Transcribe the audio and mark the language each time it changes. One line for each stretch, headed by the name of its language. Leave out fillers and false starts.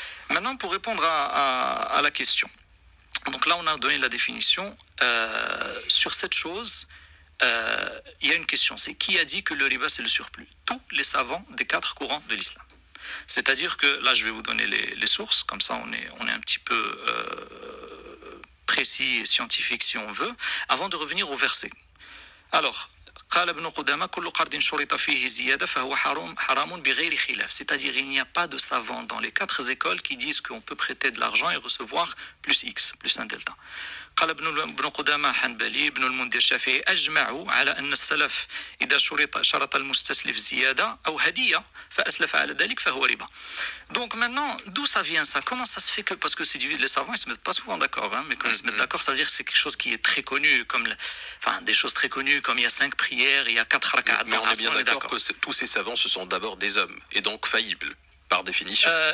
French: Maintenant, pour répondre à la question, donc là, on a donné la définition sur cette chose. Il y a une question, c'est qui a dit que le riba c'est le surplus? Tous les savants des quatre courants de l'islam. C'est-à-dire que, là je vais vous donner les sources, comme ça on est un petit peu précis et scientifique si on veut, avant de revenir au verset. Alors,
Arabic: قال ابن قدامة كل قرض شرط فيه زيادة فهو حرام بغير خلاف.
French: C'est-à-dire il n'y a pas de savants dans les quatre écoles qui disent qu'on peut prêter de l'argent et recevoir plus X, plus un delta.
Arabic: قال ابن قدامة حنبلي ابن المنذر الشافعي أجمعوا على أن السلف إذا شرط المستسلف زيادة أو هدية فأسلف على ذلك فهو ربا.
French: Donc maintenant, d'où ça vient ça? Comment ça se fait que, parce que les savants ils se mettent pas souvent d'accord, hein, mais quand ils se mettent d'accord, ça veut dire que c'est quelque chose qui est très connu, des choses très connues, comme il y a 5 prières, il y a 4 rakats. Mais on est bien d'accord que tous ces savants, ce sont d'abord des hommes, et donc faillibles, par définition.